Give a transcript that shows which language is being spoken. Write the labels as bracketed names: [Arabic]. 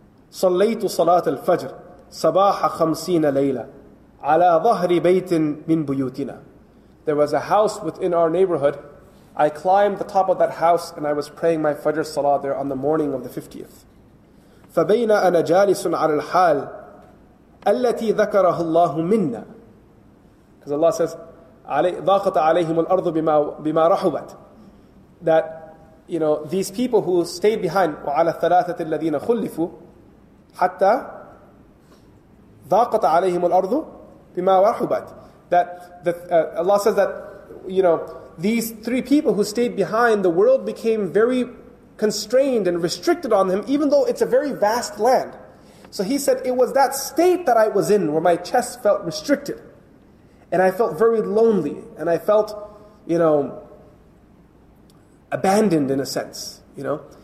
[Arabic] صليت صلاة الفجر صباح خمسين ليلة على ظهر بيت من بيوتنا. [English] There was a house within our neighborhood. I climbed the top of that house and I was praying my Fajr Salah there on the morning of the 50th. [Arabic] فبين أنا جالس على الحال التي ذكره الله منا. [English] Because Allah says, [Arabic] ضاقت عليهم الأرض بما رحبت. [English] That, you know, these people who stayed behind, [Arabic] وعلى الثلاثة الذين خلفوا حتى ضاقت عليهم الأرض بما رحبت. [English] Allah says that, you know, these three people who stayed behind, the world became very constrained and restricted on him, even though it's a very vast land. So he said, it was that state that I was in where my chest felt restricted. And I felt very lonely. And I felt, you know, abandoned in a sense, you know.